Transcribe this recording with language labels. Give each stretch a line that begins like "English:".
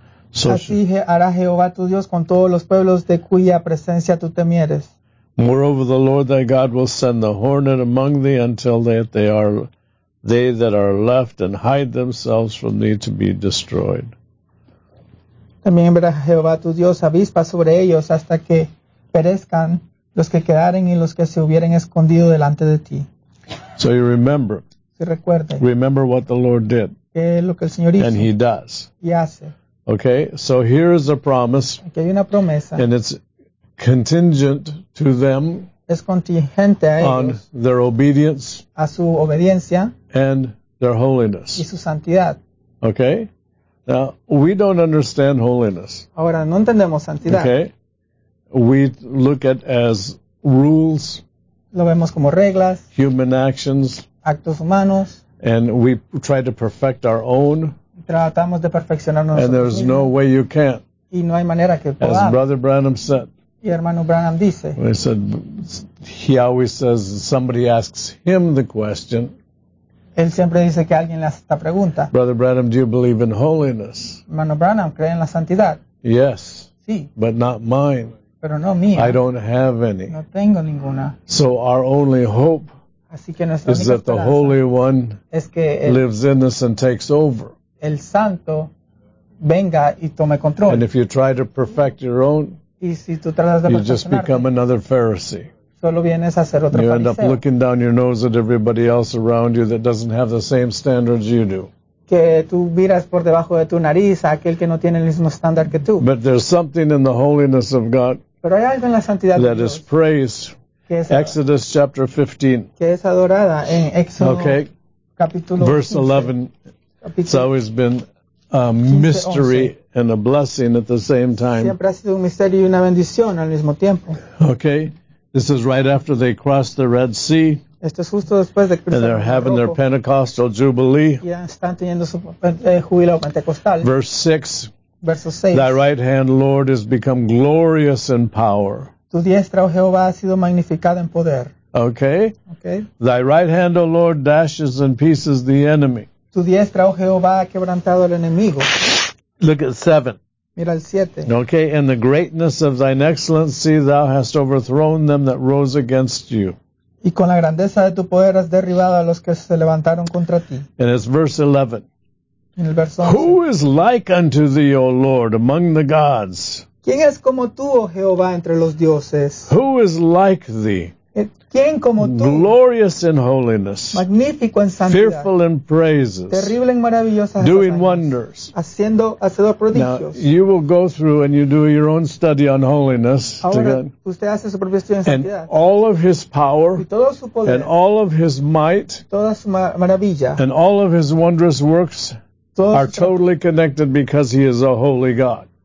English: So
Spanish: así hará Jehová tu Dios con todos los pueblos de cuya presencia tú temieres.
English: Moreover, the Lord thy God will send the hornet among thee until that they are they that are left and hide themselves from thee to be destroyed.
Spanish: También verá Jehová tu Dios avispa sobre ellos hasta que perezcan los que quedaren y los que se hubieren escondido delante de ti.
English: So you remember.
Spanish: Si recuerde.
English: Remember what the Lord did.
Spanish: Que lo que el Señor hizo.
English: And he does.
Spanish: Y hace.
English: Okay, so here is a promise.
Spanish: Aquí hay una promesa.
English: And it's contingent to them.
Spanish: Es contingente a ellos,
English: on their obedience,
Spanish: a su obediencia,
English: and their holiness,
Spanish: y su santidad.
English: Okay? Now, we don't understand holiness.
Spanish: Ahora, no entendemos santidad.
English: Okay? We look at as rules,
Spanish: lo vemos como reglas,
English: human actions,
Spanish: actos humanos,
English: and we try to perfect our own,
Spanish: tratamos de perfeccionar nosotros,
English: and there's no way you can.
Spanish: Y no hay manera que podamos.
English: As Brother Branham said,
Spanish: y hermano Branham dice,
English: he said, he always says somebody asks him the question.
Spanish: Él siempre dice que alguien le hace esta pregunta.
English: Brother Branham, do you believe in holiness?
Spanish: Hermano Branham, ¿cree en la santidad?
English: Yes.
Spanish: Sí.
English: But not mine.
Spanish: Pero no mía.
English: I don't have any.
Spanish: No tengo ninguna.
English: So our only hope
Spanish: así que nuestra
English: is
Spanish: única
English: that the Holy One
Spanish: es que
English: lives in us and takes over.
Spanish: El Santo venga y tome control.
English: And if you try to perfect your own,
Spanish: y si tú tratas de
English: you just become another Pharisee.
Spanish: Solo vienes a ser otro fariseo.
English: You end up looking down your nose at everybody else around you that doesn't have the same standards you do.
Spanish: Que tú miras por debajo de tu nariz a aquel que no tiene el mismo estándar que tú.
English: But there's something in the holiness of God.
Spanish: Pero hay algo en la santidad
English: that is praised.
Spanish: Que es
English: Exodus chapter 15.
Spanish: Que es adorada en Éxodo
English: okay.
Spanish: Capítulo
English: verse 11.
Spanish: Capítulo.
English: It's always been a mystery and a blessing at the same time.
Spanish: Siempre ha sido un misterio y una bendición al mismo tiempo.
English: Okay, this is right after they crossed the Red Sea.
Spanish: Esto es justo después de cruzar.
English: And they're having their Pentecostal jubilee.
Spanish: Y están teniendo su júbilo pentecostal.
English: Verse 6.
Spanish: Verso 6.
English: Thy right hand, Lord, has become glorious in power.
Spanish: Tu diestra, oh Jehová, ha sido magnificada en poder.
English: Okay. Okay. Thy right hand, O Lord, dashes in pieces the enemy.
Spanish: Tu diestra, oh Jehová, ha quebrantado al enemigo.
English: Look at 7.
Spanish: Mira el 7.
English: Okay, in the greatness of thine excellency, thou hast overthrown them that rose against you.
Spanish: Y con la grandeza de tu poder has derribado a los que se levantaron contra ti.
English: And it's verse 11.
Spanish: En el verso 11.
English: Who is like unto thee, O Lord, among the gods?
Spanish: ¿Quién es como tú, oh Jehová, entre los dioses?
English: Who is like thee?
Spanish: ¿Quién como tú?
English: Glorious in holiness.
Spanish: Magnífico en santidad.
English: Fearful in praises.
Spanish: Terrible en maravillosas.
English: Doing wonders.
Spanish: Haciendo hacedor prodigios.
English: Now, you will go through and you do your own study on holiness.
Spanish: Ahora, usted hace su propio estudio en santidad.
English: And all of his power.
Spanish: Y todo su poder.
English: And all of his might.
Spanish: Toda su maravilla.
English: And all of his wondrous works are totally connected because he is a holy God.